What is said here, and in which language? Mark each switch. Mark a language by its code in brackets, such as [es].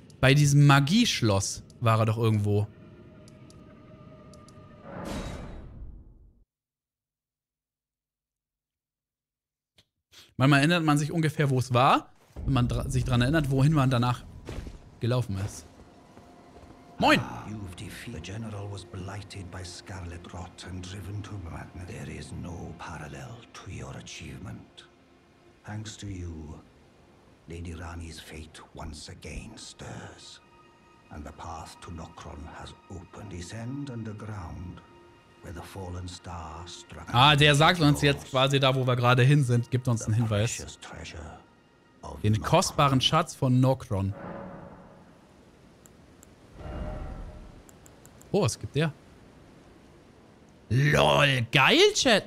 [de] Bei diesem Magieschloss war er doch irgendwo. Manchmal erinnert man sich ungefähr, wo es war, wenn man sich daran erinnert, wohin man danach gelaufen ist. Moin! [en] Ah, you've defeated. The General was blighted by Scarlet Rot and driven to madness. There is no parallel to your achievement. Thanks to you. Lady Rani's fate once again stirs, and the path to Nokron has opened. Descend underground, where the fallen star struck. [de] Ah, der sagt uns jetzt quasi da, wo wir gerade hin sind, gibt uns einen Hinweis. Den kostbaren Schatz von Nokron. Oh, was gibt der? Lol, geil, Chat.